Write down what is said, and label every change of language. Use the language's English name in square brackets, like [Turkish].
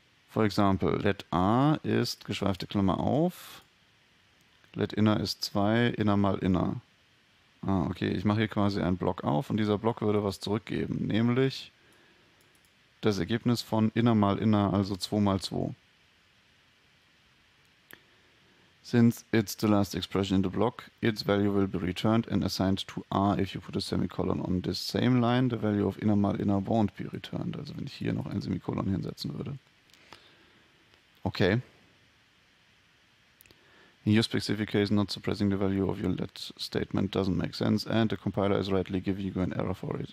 [English] For example, [German] let a ist, geschweifte Klammer auf, let inner ist 2, inner mal inner. Ah, okay, ich mache hier quasi einen Block auf und dieser Block würde was zurückgeben, nämlich das Ergebnis von inner mal inner, also 2 mal 2. [English] Since it's the last expression in the block, its value will be returned and assigned to R if you put a semicolon on this same line, the value of [German] inner mal inner [English] won't be returned. [German] Also wenn ich hier noch ein Semikolon hinsetzen würde. Okay. [English] In your specific case, not suppressing the value of your let statement doesn't make sense and the compiler is rightly giving you an error for it.